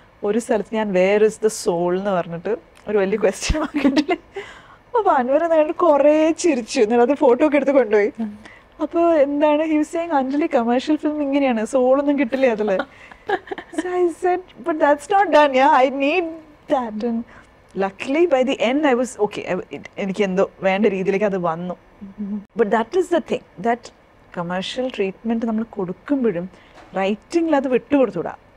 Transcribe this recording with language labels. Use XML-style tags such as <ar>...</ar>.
<ml>ഒരു സ്ഥലത്ത് ഞാൻ</ml> <en>where is the soul</en> <ml>എന്ന് പറഞ്ഞിട്ട് ഒരു വലിയ ക്വസ്റ്റ്യൻ വാങ്ങിയിട്ടില്ല. അപ്പോൾ അൻവർ എന്നുള്ള കുറേ ചിരിച്ചു, എന്നിട്ട് അത് ഫോട്ടോ ഒക്കെ എടുത്ത് കൊണ്ടുപോയി. അപ്പോൾ എന്താണ്</ml> <en>he was saying,</en> <ml>Anjali commercial film ഇങ്ങനെയാണ്, സോളൊന്നും കിട്ടില്ല അതിൽ.</ml> <en>So I said but that's not done, yeah I need that. Luckily, by the end, I was okay.</en> <ml>എനിക്ക് എന്തോ വേണ്ട രീതിയിലേക്ക് അത് വന്നു.</ml> <en>But that is the thing, that commercial treatment</en> <ml>നമ്മൾ കൊടുക്കുമ്പോഴും റൈറ്റിംഗിൽ അത് വിട്ടുകൊടുത്തൂടാ.</ml>